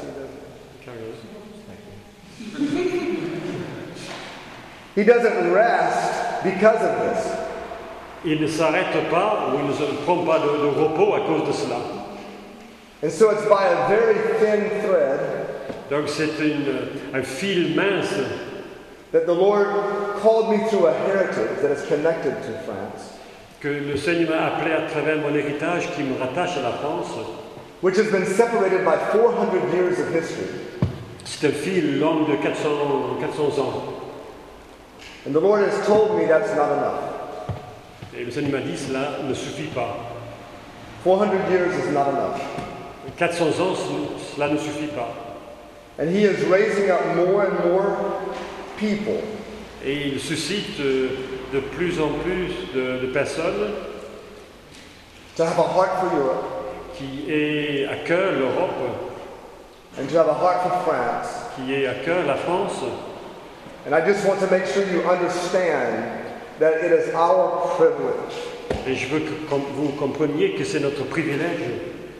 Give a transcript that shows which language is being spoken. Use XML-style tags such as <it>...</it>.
<en>He doesn't. He doesn't rest because of this.</en> <fr>Il ne s'arrête pas ou il ne prend pas de repos à cause de cela.</fr> <en>And so it's by a very thin thread.</en> <fr>Donc c'est un fil mince.</fr> <en>That the Lord called me through a heritage that is connected to France.</en> <fr>Que le Seigneur m'a appelé à travers mon héritage qui me rattache à la France.</fr> <en>Which has been separated by 400 years of history.</en> <fr>C'est un fil long de 400 ans.</fr> <en>And the Lord has told me that's not enough.</en> <fr>Et le Seigneur m'a dit cela ne suffit pas.</fr> <en>400 years is not enough.</en> <fr>400 ans, cela ne suffit pas.</fr> <en>And he is raising up more and more people.</en> <fr>Et il suscite de plus en plus de personnes</fr> <en>to have a heart for Europe,</en> <fr>qui aient à cœur l'Europe,</fr> <en>and to have a heart for France,</en> <fr>qui aient à cœur la France.</fr> <en>And I just want to make sure you understand that it is our privilege.</en> <fr>Et je veux que vous compreniez que c'est notre privilège.</fr>